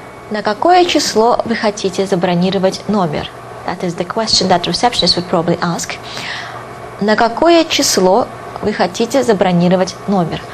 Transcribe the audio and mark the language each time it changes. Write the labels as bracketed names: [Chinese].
[Russian] На какое число вы хотите забронировать номер? [English] That is the question that receptionist would probably ask. [Russian] На какое число вы хотите забронировать номер?